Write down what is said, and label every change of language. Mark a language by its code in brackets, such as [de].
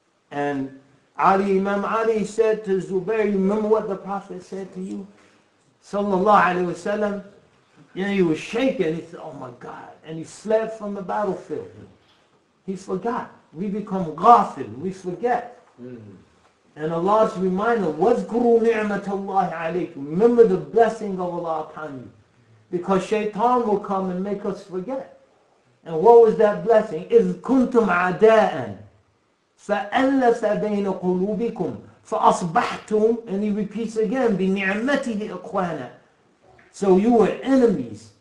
[en] And Imam Ali said to Zubair, you remember what the Prophet said to you? [ar] Sallallahu alayhi wa sallam. [en] You know, he was shaking. He said, oh my God. And he fled from the battlefield. He forgot. We become ghafil. We forget. And Allah's reminder, [ar] وَذْكُرُوا نِعْمَةَ اللَّهِ عَلَيْكُمْ. [en] Remember the blessing of Allah upon you. Because shaitan will come and make us forget. And what was that blessing? [ar] إِذْ كُنْتُمْ عَدَاءً فَأَلَّفَ بَيْنَ قُلُوبِكُمْ فَأَصْبَحْتُمْ. [en] And he repeats again, [ar] بِنِعْمَتِهِ إِخْوَانَ. [en] So you were enemies.